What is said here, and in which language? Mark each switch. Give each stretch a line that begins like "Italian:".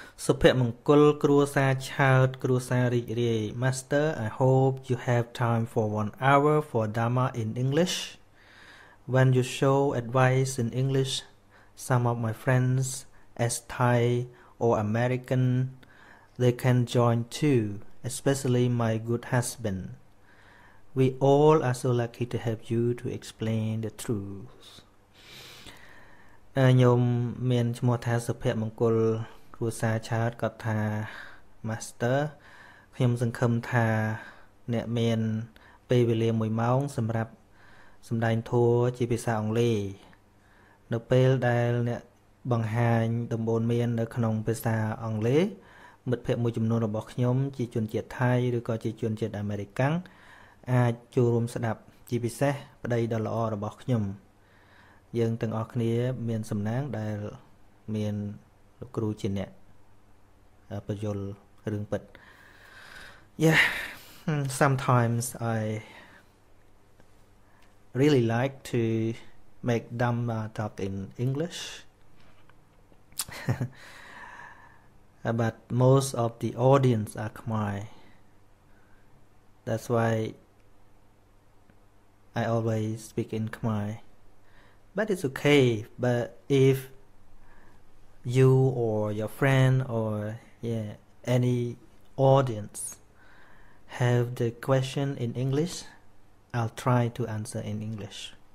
Khmer: សុភមង្គលគ្រួសារឆើតគ្រួសាររីករាយ
English: Master I hope you have time for 1 hour for Dharma in English. When you show advice in English, some of my friends as Thai or American, they can join too, especially my good husband. We all are so lucky to have you to explain the truth.
Khmer: ញោមមានឈ្មោះថាសុភមង្គលគ្រួសារឆើតគាត់ថា Master ខ្ញុំសង្ឃឹមថាអ្នកមានពេលវេលា1ម៉ោងសម្រាប់សម្ដែងធម៌ជាភាសាអង់គ្លេស នៅពេលដែលអ្នកបង្ហាញដំបូន្មាននៅក្នុងភាសាអង់គ្លេសមិត្តភ័ក្តិមួយចំនួនរបស់ខ្ញុំជាជនជាតិថៃឬក៏ជាជនជាតិអាមេរិកាំងអាចចូលរួមស្ដាប់ជាពិសេសប្តីដ៏ល្អរបស់ខ្ញុំ យើងទាំងអស់គ្នាមានសំណាងដែលមានលោកគ្រូជាអ្នកបញ្យលរឿងពិត
English: Yeah sometimes I really like to make Dhamma talk in English but most of the audience are Khmer. That's why I always speak in Khmer. But it's okay, but if you or your friend or any audience have the question in English, I'll try to answer in English.